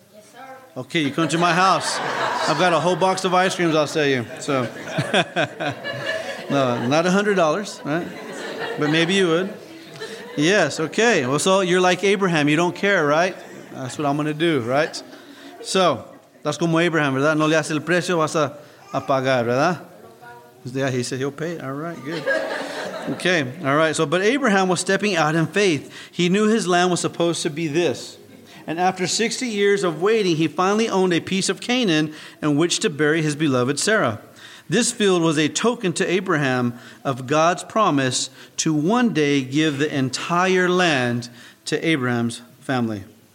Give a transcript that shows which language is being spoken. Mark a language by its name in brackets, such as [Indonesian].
[English] Yes, sir. Okay. You come to my house. I've got a whole box of ice creams, I'll sell you. So no, not $100, right? But maybe you would. Yes. Okay. Well, so you're like Abraham. You don't care, right? That's what I'm going to do, right? So, that's [Spanish] como Abraham, ¿verdad? No le hace el precio, vas a pagar, ¿verdad? [English] Yeah, he said he'll pay. All right, good. Okay, all right. So, but Abraham was stepping out in faith. He knew his land was supposed to be this. And after 60 years of waiting, he finally owned a piece of Canaan in which to bury his beloved Sarah. This field was a token to Abraham of God's promise to one day give the entire land to Abraham's family.